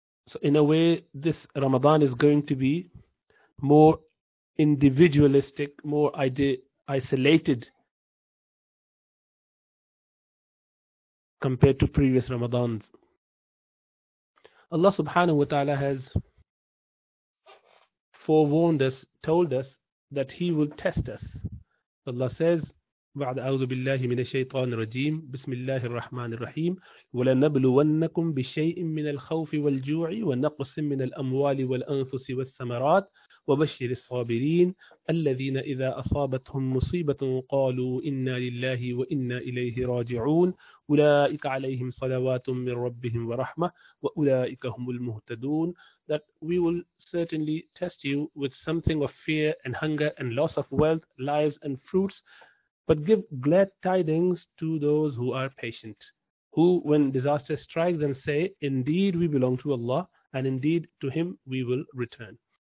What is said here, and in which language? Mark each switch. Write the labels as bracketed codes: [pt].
[en] So in a way, this Ramadan is going to be more individualistic, more isolated compared to previous Ramadans. Allah subhanahu wa ta'ala has forewarned us, told us that He will test us. Allah says, [ar] بعد أعوذ بالله من الشيطان الرجيم بسم الله الرحمن الرحيم ولنبلونكم بشيء من الخوف والجوع ونقص من الأموال والأنفس والثمرات وبشر الصابرين الذين إذا أصابتهم مصيبة قالوا إنا لله وإنا إليه راجعون أولئك عليهم صلوات من ربهم ورحمة وأولئك هم المهتدون. [en] That we will certainly test you with something of fear and hunger and loss of wealth, lives and fruits, but give glad tidings to those who are patient, who when disaster strikes and say, indeed we belong to Allah and indeed to Him we will return.